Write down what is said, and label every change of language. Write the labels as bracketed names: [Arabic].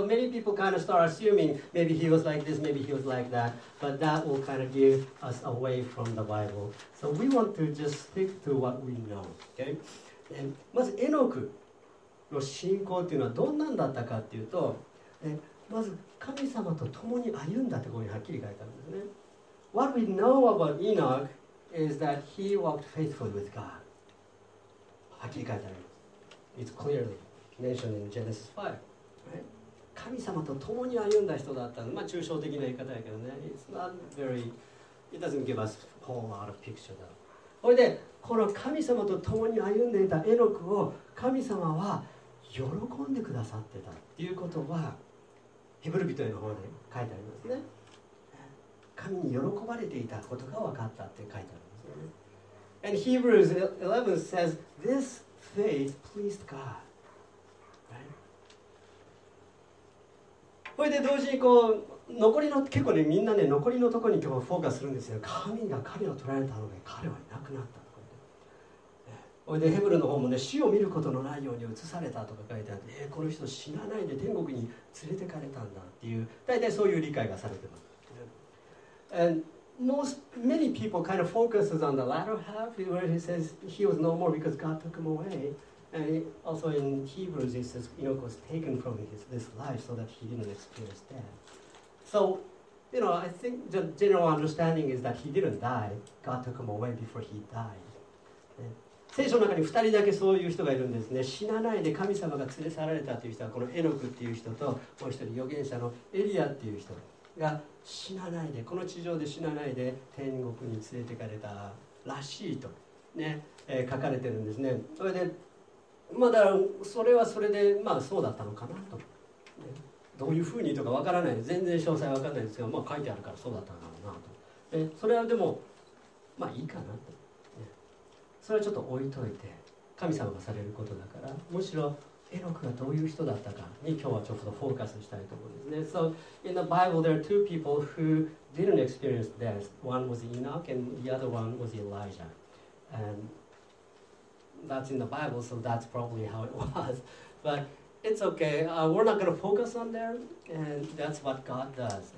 [English] So many people kind of start assuming maybe he was like this, maybe he was like that, but that will kind of give us away from the Bible. So we want to just stick to what we know. Okay? [Japanese] And まずエノクの信仰というのはどんなんだったかというと、まず神様と共に歩んだってここにはっきり書いてあるんですね。 [English] What we know about Enoch is that he walked faithfully with God. [Japanese] はっきり書いてあります。 [English] It's clearly mentioned in Genesis 5. Right? [Japanese] 神様と共に歩んだ人だったの。まあ抽象的な言い方やけどね。 [English] It's not very, it doesn't give us a whole lot of picture though. [Japanese] それでこの神様と共に歩んでいたエノクを神様は喜んでくださってたっていうことはヘブル人への方で書いてありますね。神に喜ばれていたことが分かったって書いてありますね。 [English] And Hebrews 11 says this faith pleased God、 right? [Japanese] それで同時にこう残りの結構ね、みんなね残りのところに今日フォーカスするんですよ。神が彼を捕らえたので彼はいなくなったとか言って、それでヘブルの方もね、死を見ることのないように移されたとか書いてあって、この人死なないで天国に連れてかれたんだっていう、大体そういう理解がされてます。 [English] And most many people kind of focuses on the latter half where he says he was no more because God took him away, and also in Hebrews he says Enoch was taken from his this life so that he didn't experience deathSo, you know, I think the general understanding is that he didn't die. God took him away before he died.、ね、 [Japanese] 聖書の中に2人だけそういう人がいるんですね。死なないで神様が連れ去られたという人はこのエノクっていう人と、もう一人預言者のエリアっていう人が死なないで、この地上で死なないで天国に連れてかれたらしいと、ね、書かれてるんですね。それで、まあ、だからそれはそれで、まあ、そうだったのかなと。どういうふうにとかわからない、全然詳細わからないんですけど、まあ、書いてあるからそうだったんだろうなと。でそれはでもまあいいかなと、ね、それはちょっと置いといて、神様がされることだから、むしろエノクがどういう人だったかに今日はちょっとフォーカスしたいと思うんですね。 [English] So in the Bible there are two people who didn't experience death. One was Enoch and the other one was Elijah. And that's in the Bible, so that's probably how it was. But it's okay. We're not going to focus on there, and that's what God does.